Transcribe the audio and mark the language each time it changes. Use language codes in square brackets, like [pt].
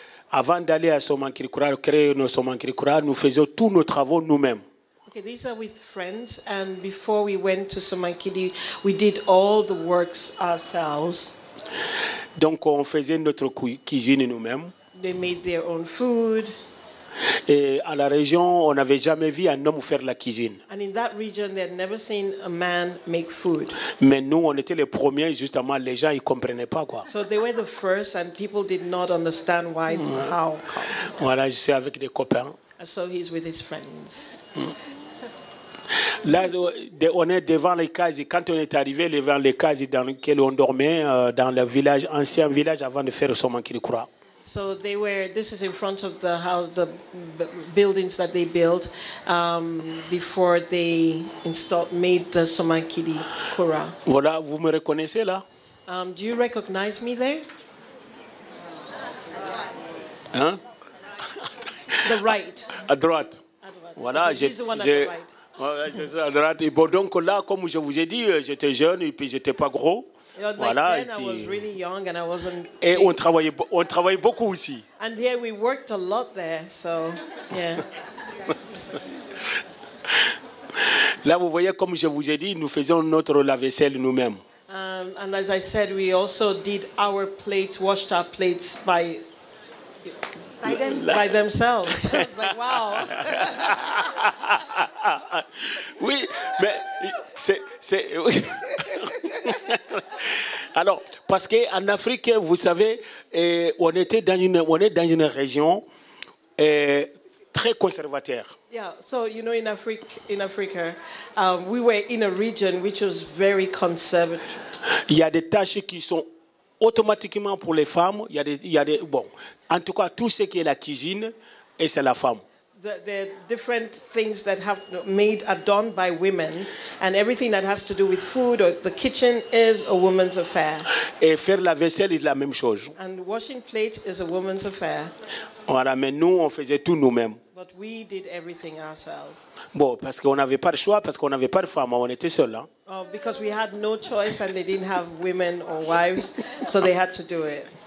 [fr] Avant d'aller à Somankidi Coura, créer nos Somankidi Coura, nous faisions tous nos travaux nous-mêmes. [en] Okay, these are with friends, and before we went to Somankidi, we did all the works ourselves. [fr] Donc, on faisait notre cuisine nous-mêmes. [en] They made their own food. [fr] Et à la région, on n'avait jamais vu un homme faire la cuisine. [en] And in that region, they had never seen a man make food. [fr] Mais nous, on était les premiers, justement, les gens, ils ne comprenaient pas quoi. [en] So they were the first, and people did not understand why, how. [fr] Voilà, je suis avec des copains. [en] So he's with his friends. [fr] Là, on est devant les cases. Quand on est arrivé devant les cases dans lesquelles on dormait, dans le village, ancien village, avant de faire Somankidi Coura. [en] So they were. This is in front of the house, the buildings that they built before they installed, made the Somankidi Coura. [fr] Voilà, vous me reconnaissez là? [en] Do you recognize me there? Hein? The right. [fr] À droite. Voilà, j'ai. Bon, donc là, comme je vous ai dit, j'étais jeune et puis j'étais pas gros. Voilà, et puis. [en] Really young and I wasn't [fr] et [en] big. [fr] on travaillait beaucoup aussi. [en] And yeah, we worked a lot there, so yeah. [fr] Là, vous voyez, comme je vous ai dit, nous faisons notre lave-vaisselle nous-mêmes. [en] And as I said, we also did our plates, washed our plates by. By themselves. I was like, wow. [fr] Oui, mais c'est oui. Alors, parce que en Afrique, vous savez, on est dans une région très conservateur. [en] Yeah, so you know, in Africa, we were in a region which was very conservative. [fr] Il y a des tâches qui sont automatiquement pour les femmes, bon, en tout cas, tout ce qui est la cuisine, et c'est la femme. [en] The different things that have made are done by women, and everything that has to do with food or the kitchen is a woman's affair. [fr] Et faire la vaisselle est la même chose. [en] And washing plates is a woman's affair. [fr] Voilà, mais nous, on faisait tout nous-mêmes. [en] But we did everything ourselves. [fr] Bon, parce qu'on n'avait pas de choix, parce qu'on n'avait pas de femmes, on était seuls. Hein? [en] Oh, because we had no choice and they didn't have women or wives, so they had to do it.